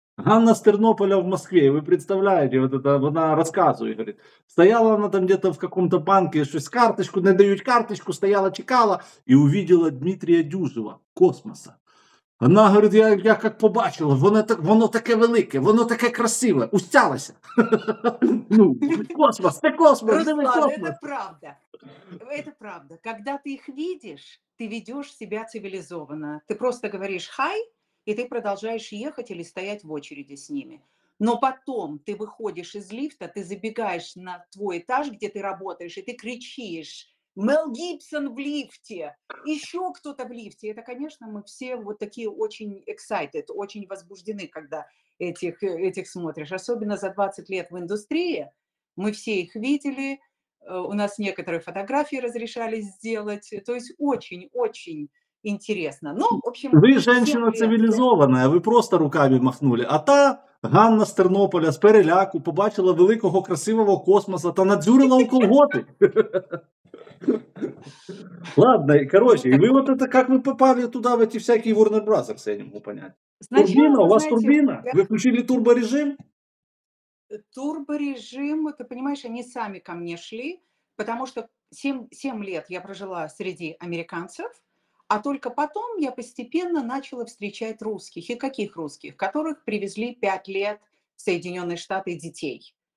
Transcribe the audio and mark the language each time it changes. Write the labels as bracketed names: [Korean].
[Russian] Ганна с Тернополя в Москве, вы представляете, вот это, она рассказывает, говорит, стояла она там где-то в каком-то банке, что с карточку, не дают карточку, стояла, чекала, и увидела Дмитрия Дюжева, космоса. Она говорит, [Ukrainian] я как побачила, воно таке велике, воно таке красиве, устялося. Космос, це космос, диви космос. [Russian] Это правда. Когда ты их видишь, ты ведешь себя цивилизованно. Ты просто говоришь «хай», и ты продолжаешь ехать или стоять в очереди с ними. Но потом ты выходишь из лифта, ты забегаешь на твой этаж, где ты работаешь, и ты кричишь. Мел Гибсон в лифте, еще кто-то в лифте. Это, конечно, мы все вот такие очень excited, очень возбуждены, когда этих смотришь. Особенно за 20 лет в индустрии мы все их видели. У нас некоторые фотографии разрешали сделать. То есть очень-очень интересно. Ну, в общем, вы женщина цивилизованная, вы просто руками махнули. [Ukrainian] А та Ганна з Тернополя з переляку побачила великого красивого космоса та надзюрила у колготи. [Russian] Ладно, короче, вы вот это, как вы попали туда, в эти всякие Warner Brothers, я не могу понять. Сначала, турбина, у вас знаете, турбина? Я... Вы включили турборежим? Турборежим, ты понимаешь, они сами ко мне шли, потому что 7 лет я прожила среди американцев, а только потом я постепенно начала встречать русских. И каких русских? Которых привезли 5 лет в Соединенные Штаты детей.